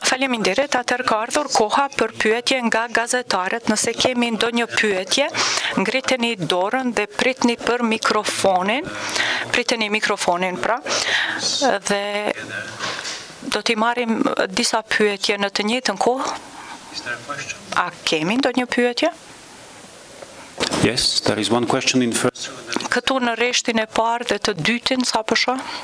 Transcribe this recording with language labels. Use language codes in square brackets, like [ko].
[sq] Faleminderit, atër ka ardhur koha për pyetje nga gazetarët. Nëse kemi ndonjë pyetje, ngriteni dorën dhe pritni për mikrofonin. Pritni mikrofonin pra. Dhe do t'i marim disa pyetje në të njëjtën kohë. A kemi ndonjë pyetje? [en] Yes, there is one question in first. [sq] Këtu në rreshtin e parë dhe të dytin, sa përshë?